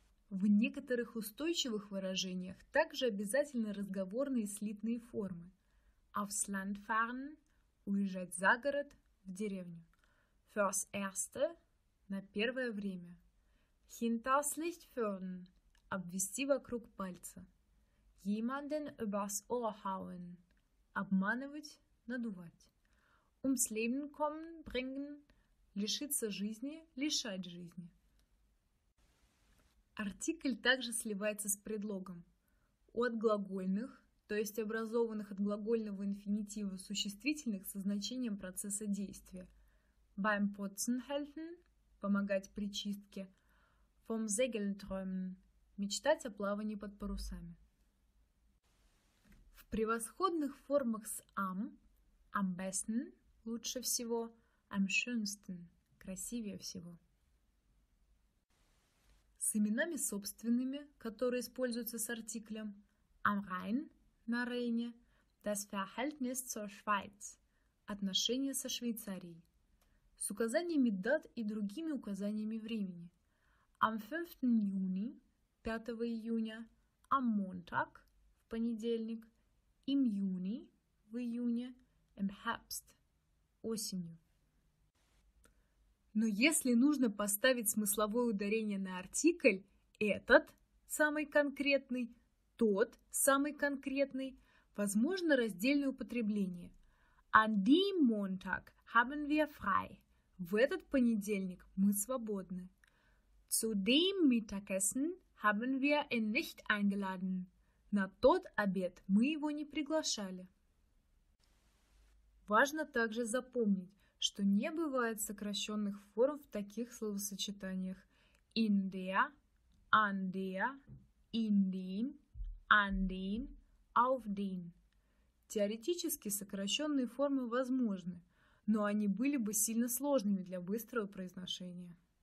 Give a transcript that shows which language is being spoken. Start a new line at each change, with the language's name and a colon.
Russian: В некоторых устойчивых выражениях также обязательны разговорные слитные формы.
German: Aufs Land fahren
Russian: – уезжать за город, в деревню.
German: Fürs Erste
Russian: – на первое время.
German: Hinters Licht führen
Russian: – обвести вокруг пальца.
German: Jemanden übers Ohr hauen –
Russian: обманывать, надувать.
German: Ums Leben kommen – bringen –
Russian: лишиться жизни, лишать жизни. Артикль также сливается с предлогом. От глагольных, то есть образованных от глагольного инфинитива существительных со значением процесса действия.
German: Beim Putzen helfen –
Russian: помогать при чистке.
German: Vom Segeln träumen
Russian: – мечтать о плавании под парусами. В превосходных формах с «am» –
German: «am besten»
Russian: – лучше всего,
German: «am schönsten»
Russian: – красивее всего. С именами собственными, которые используются с артиклем
German: am Rhein
Russian: – на Рейне,
German: das Verhältnis zur Schweiz
Russian: – отношения со Швейцарией, с указаниями дат и другими указаниями времени am 5.
German: Juni –
Russian: 5 июня,
German: am Montag –
Russian: в понедельник,
German: im Juni –
Russian: в июне,
German: im Herbst –
Russian: осенью. Но если нужно поставить смысловое ударение на артикль «этот» – самый конкретный, «тот» – самый конкретный, возможно раздельное употребление.
German: «An dem Montag haben wir frei» –
Russian: «в этот понедельник мы свободны».
German: «Zu dem Mittagessen haben wir ihn nicht eingeladen» –
Russian: «на тот обед мы его не приглашали». Важно также запомнить, что не бывает сокращенных форм в таких словосочетаниях
German: in der, an der, in den, an den, auf den.
Russian: Теоретически сокращенные формы возможны, но они были бы сильно сложными для быстрого произношения.